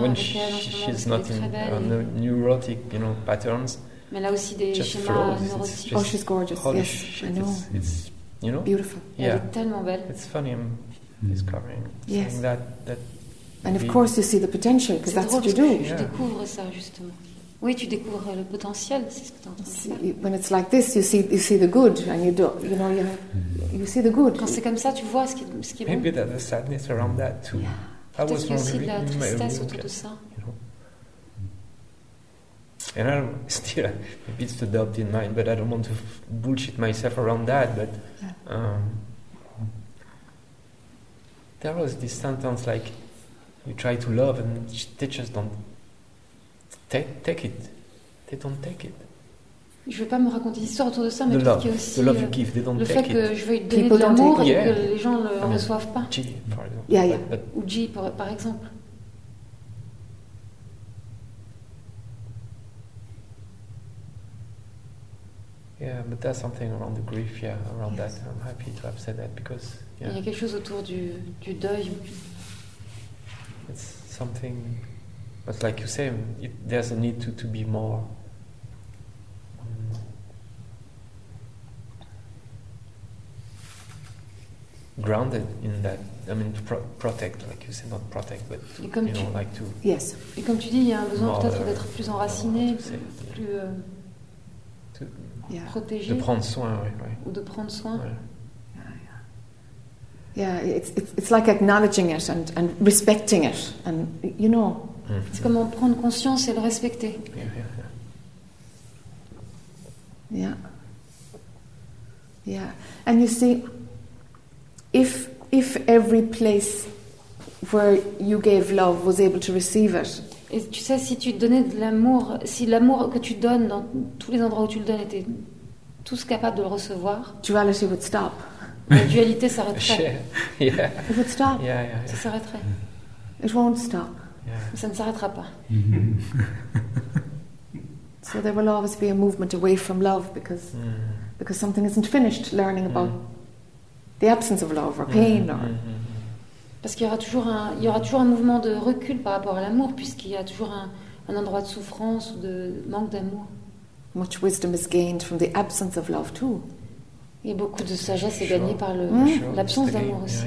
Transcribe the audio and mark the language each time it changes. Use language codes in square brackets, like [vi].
[en] when she's not in neurotic, you know, patterns. [fr] Mais là aussi des schémas neurotiques. [en] Oh, she's gorgeous. Holy yes, shit. I know. It's you know, beautiful. Yeah. [fr] Elle est tellement belle. [en] It's funny. I'm discovering that and of course you see the potential because that's what you do. [fr] Je découvre ça justement. Oui, tu découvres le potentiel, c'est ce que tu entends. [en] When it's like this, you see the good and you don't, you know, you see the good. [fr] Quand c'est comme ça, tu vois ce qui est bon. [en] Maybe there's a sadness around that too. Yeah. I was wondering. [fr] Peut-être qu'il y a aussi de la tristesse autour de ça. [en] You know? And I'm still a bit to doubt in mind, but I don't want to bullshit myself around that, but there was this sentence like, you try to love and teachers don't take it. They don't take it. [fr] Je ne veux pas me raconter l'histoire autour de ça, mais [en] love, [fr] qu'il y a aussi [en] the love you give, they don't [fr] le [en] take [fr] fait [en] it. [fr] Que je veux donner de l'amour et que les gens ne le reçoivent pas. G, par exemple. [en] Yeah, yeah. [fr] Ou G, par exemple. [en] Yeah, but there's something around the grief, yeah, around that. I'm happy to have said that because [fr] il y a quelque chose autour du deuil. [en] It's something, but like you say, there's a need to be more. Grounded in that, I mean, protect, like you say, not protect, but to, you know, like to. Yes. [fr] Et comme tu dis, il y a un besoin peut-être d'être plus enraciné, plus. [en] Yeah. [fr] Protéger, de prendre soin, ou de prendre soin. [en] Yeah, it's like acknowledging it and respecting it, and you know. Mm-hmm. [fr] C'est comme prendre conscience et le respecter. [en] Yeah. And you see, if every place where you gave love was able to receive it. [fr] Et tu sais, si tu donnais de l'amour, si l'amour que tu donnes dans tous les endroits où tu le donnes était tous capables de le recevoir, [en] duality would stop. [fr] La dualité s'arrêterait. [en] Yeah. It would stop. Yeah. [fr] Ça s'arrêterait. [en] It won't stop. Yeah. [fr] Ça ne s'arrêtera pas. [en] So there will always be a movement away from love because something isn't finished learning about the absence of love or pain or... [fr] Parce qu'il y aura toujours un mouvement de recul par rapport à l'amour, puisqu'il y a toujours un endroit de souffrance ou de manque d'amour. [en] Much wisdom is gained from the absence of love too. [fr] Et beaucoup de sagesse est gagnée par l'absence d'amour aussi.